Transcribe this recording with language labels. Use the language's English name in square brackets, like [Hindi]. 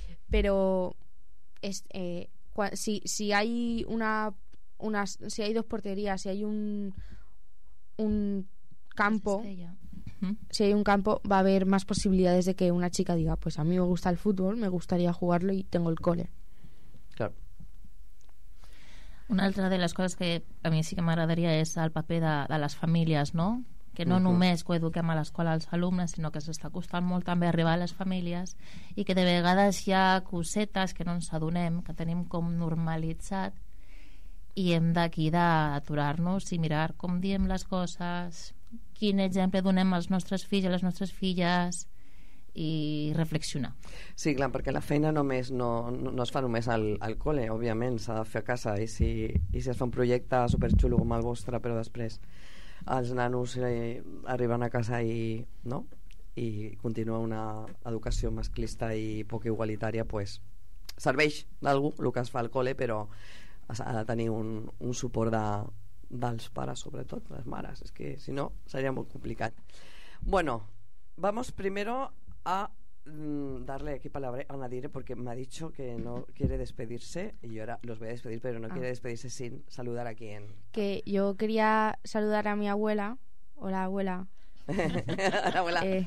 [Spanish] Pero es, si hay si hay dos porterías, si hay un campo, si hay un campo, va a haber más posibilidades de que una chica diga, pues a mí me gusta el fútbol, me gustaría jugarlo y tengo el cole. Claro. [Catalan] Una altra de les coses que a mi sí que m'agradaria és el paper de les famílies, no? Que no només coeduquem a l'escola els alumnes, sinó que s'està costant molt també arribar a les famílies i que de vegades hi ha cosetes que no ens adonem, que tenim com normalitzat i hem d'aquí d'aturar-nos i mirar com diem les coses, quin exemple donem als nostres fills i a les nostres filles i reflexionar. Sí, clar, perquè la feina només no es fa només al col·le, òbviament, s'ha de fer a casa i si es fa un projecte superxulo com el vostre, però després els nanos arriben a casa i, no? I continua una educació masclista i poc igualitària, pues, serveix d'algú el que es fa al col·le, però ha de tenir un suport dels pares, sobretot les mares, és que si no seria molt complicat. [Spanish] Bueno, vamos primero a darle aquí palabra a Nadir, porque me ha dicho que no quiere despedirse y yo ahora los voy a despedir, pero no quiere despedirse sin saludar a quién. Que yo quería saludar a mi abuela. Hola, abuela. Hola, abuela.